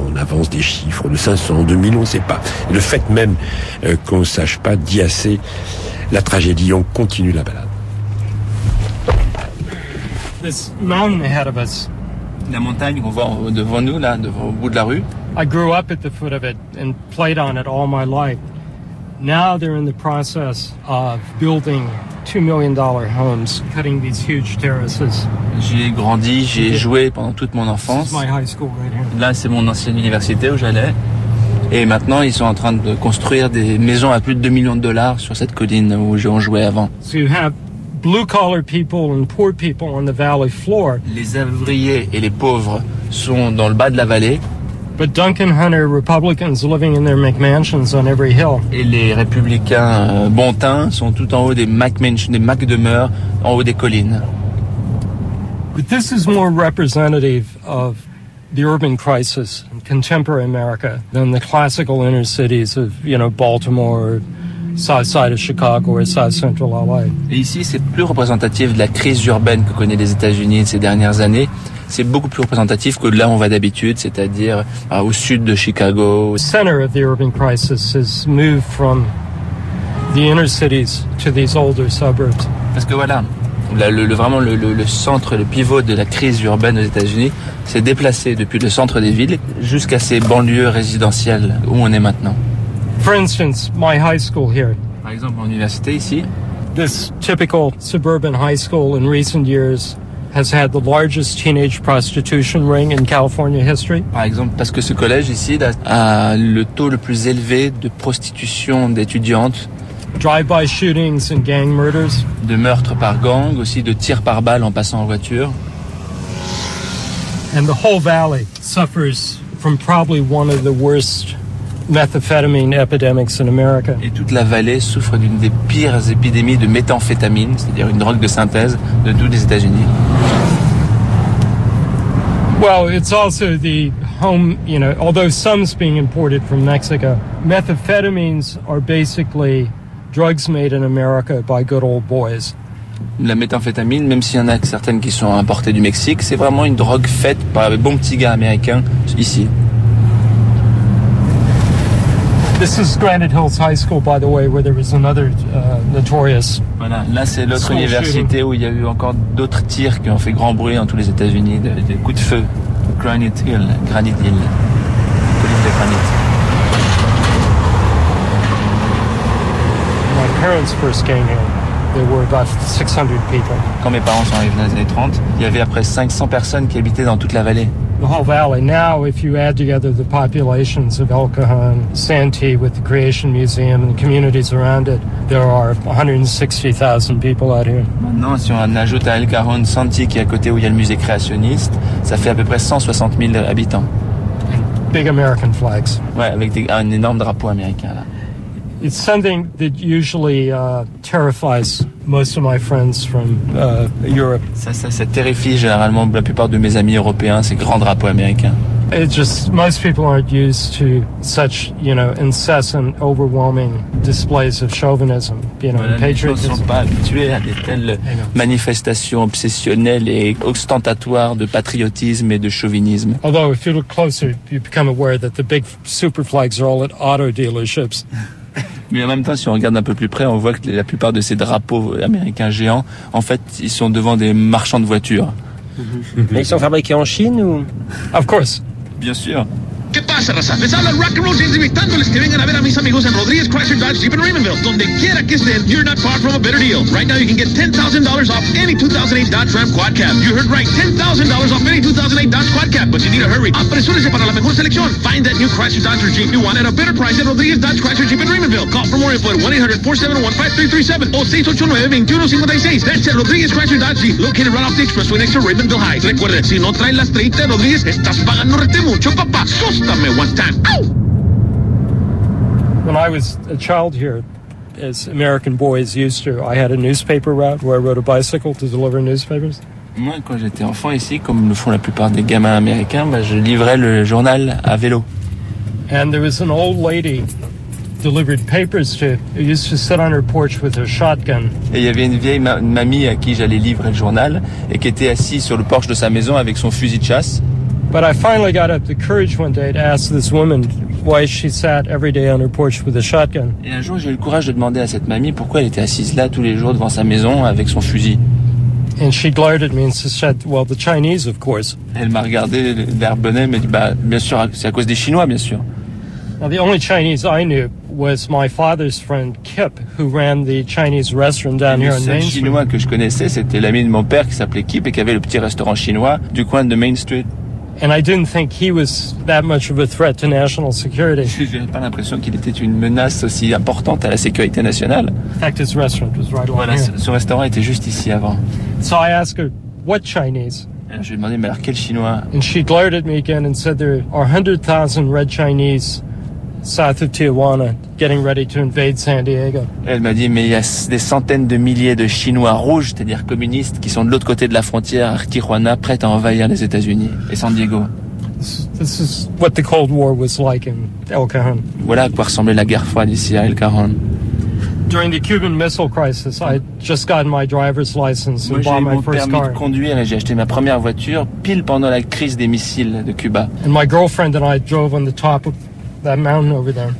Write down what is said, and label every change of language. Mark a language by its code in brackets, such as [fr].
[fr] On avance des chiffres de 500, 2000, on sait pas. Le fait même qu'on ne sache pas dit assez la tragédie. On continue la balade. [en] This mountain ahead of us. [fr] La montagne qu'on voit devant nous, là, devant, au bout de la rue. [en] I grew up at the foot of it and played on it all my life. Now they're in the process of building $2 million homes, cutting these huge terraces. [fr] J'ai grandi, j'ai joué pendant toute mon enfance. [en] This is my high school right here. [fr] Là, c'est mon ancienne université où j'allais. Et maintenant, ils sont en train de construire des maisons à plus de $2 million sur cette colline où j'en jouais avant. [en] So you have blue-collar people and poor people on the valley floor. [fr] Les ouvriers et les pauvres sont dans le bas de la vallée. [en] But Duncan Hunter, Republicans living in their McMansions on every hill. [fr] Et les républicains bontains sont tout en haut des McMansions, des McDemeures, en haut des collines. [en] But this is more representative of the urban crisis in contemporary America than the classical inner cities of, you know, Baltimore, South Side of Chicago, or South Central LA. [fr] Et ici, c'est plus représentatif de la crise urbaine que connaît les États-Unis de ces dernières années. C'est beaucoup plus représentatif que là où on va d'habitude, c'est-à-dire au sud de Chicago. [en] The center of the urban crisis has moved from the inner cities to these older suburbs. [fr] Parce que voilà, le centre, le pivot de la crise urbaine aux États-Unis s'est déplacé depuis le centre des villes jusqu'à ces banlieues résidentielles où on est maintenant. [en] For instance, my high school here. [fr] Par exemple, mon université ici. [en] This typical suburban high school in recent years has had the largest teenage prostitution ring in California history. [fr] Par exemple, parce que ce collège ici a le taux le plus élevé de prostitution d'étudiantes. [en] Drive-by shootings and gang murders. [fr] De meurtres par gang, aussi de tirs par balle en passant en voiture. [en] And the whole valley suffers from probably one of the worst methamphetamine epidemics in America. [fr] Et toute la vallée souffre d'une des pires épidémies de méthamphétamine, c'est-à-dire une drogue de synthèse, de tous les États-Unis. [en] Well, it's also the home, you know, although some's being imported from Mexico, methamphetamines are basically drugs made in America by good old boys. [fr] La méthamphétamine, même s'il y en a certaines qui sont importées du Mexique, c'est vraiment une drogue faite par les bons petits gars américains ici. [en] This is Granite Hills High School, by the way, where there was another notorious. [fr] Voilà, là c'est l'autre université où il y a eu encore d'autres tirs qui ont fait grand bruit dans tous les États-Unis, des coups de feu. Granite Hill, Granite Hill, colline de granit. [en] My parents first came here. There were about 600 people. [fr] Quand mes parents sont arrivés dans les années 30, il y avait à peu près 500 personnes qui habitaient dans toute la vallée. [en] The whole valley. Now, if you add together the populations of El Cajon, Santee, with the Creation Museum and the communities around it, there are 160,000 people out here. [fr] Maintenant, si on ajoute à El Cajon, Santee, qui est à côté où il y a le musée créationniste, ça fait à peu près 160 000 habitants. [en] Big American flags. [fr] Ouais, avec un énorme drapeau américain là. [en] It's something that usually terrifies most of my friends from Europe. [fr] Ça terrifie généralement la plupart de mes amis européens, ces grands drapeaux américains. [en] It's just most people aren't used to such, you know, incessant, overwhelming displays of chauvinism, you know, [fr] voilà, [en] patriotism. [fr] Les gens ne sont pas habitués à des telles manifestations obsessionnelles et ostentatoires de patriotisme et de chauvinisme. [en] Although if you look closer, you become aware that the big super flags are all at auto dealerships. [fr] Mais en même temps, si on regarde un peu plus près, on voit que la plupart de ces drapeaux américains géants, en fait, ils sont devant des marchands de voitures. Mais ils sont fabriqués en Chine ou? [en] Of course. [fr] Bien sûr. [es] ¿Qué pasa, raza? Les habla el rock and roll James invitándoles que vengan a ver a mis amigos en Rodríguez, Chrysler, Dodge, Jeep and Raymondville. Donde quiera que estén, [en] you're not far from a better deal. Right now you can get $10,000 off any 2008 Dodge Ram Quad Cab. You heard right, $10,000 off any 2008 Dodge Quad Cab, but you need a hurry. [es] Apresúrese para la mejor selección. [en] Find that new Chrysler, Dodge or Jeep you want at a better price at Rodríguez, Dodge, Chrysler, Jeep and Raymondville. Call for more info at 1-800-471-5337 o 689-2156. That's at Rodríguez, Chrysler, Dodge, Jeep, located right off the expressway next to Raymondville High. [es] Recuerde, si no traen las 30 de Rodríguez, estás pagando retemo. Mucho, papá. [en] When I was a child here, as American boys used to, I had a newspaper route where I rode a bicycle to deliver newspapers. [fr] Moi, quand j'étais enfant ici, comme le font la plupart des gamins américains, bah, je livrais le journal à vélo. [en] And there was an old lady delivered papers to, who used to sit on her porch with her shotgun. [fr] Et il y avait une vieille mamie à qui j'allais livrer le journal et qui était assise sur le porche de sa maison avec son fusil de chasse. [en] But I finally got up the courage one day to ask this woman why she sat every day on her porch with a shotgun. [fr] Et un jour, j'ai eu le courage de demander à cette mamie pourquoi elle était assise là tous les jours devant sa maison avec son fusil. [en] And she glared at me and said, "Well, the Chinese, of course." [fr] Elle m'a regardé d'air bonnet, mais dit, bah, bien sûr, c'est à cause des Chinois, bien sûr. [en] Now, the only Chinese I knew was my father's friend Kip, who ran the Chinese restaurant down here on Main Street. [fr] Le Chinois que je connaissais, c'était l'ami de mon père qui s'appelait Kip et qui avait le petit restaurant chinois du coin de Main Street. [en] And I didn't think he was that much of a threat to national security. [fr] J'avais pas l'impression qu'il était une menace aussi importante à la sécurité nationale. [en] In fact, his restaurant was right [fr] voilà, [en] over here. [fr] Son restaurant était juste ici avant. [en] So I asked her, what Chinese? [fr] Je lui ai demandé, mais alors quel Chinois? [en] And she glared at me again and said, there are 100,000 red Chinese south of Tijuana getting ready to invade San Diego. [fr] Elle m'a dit, mais il y a des centaines de milliers de Chinois rouges, c'est-à-dire communistes, qui sont de l'autre côté de la frontière à Tijuana, prêts à envahir les États-Unis et San Diego. [en] This is what the Cold War was like in El Cajon. [fr] Voilà à quoi ressemblait la guerre froide ici à El Cajon. [en] During the Cuban Missile Crisis, I just got my driver's license and bought my first car. [fr] J'ai eu mon permis de conduire et j'ai acheté ma première voiture pile pendant la crise des missiles de Cuba. [en] And my girlfriend and I drove on the top of that mountain over there.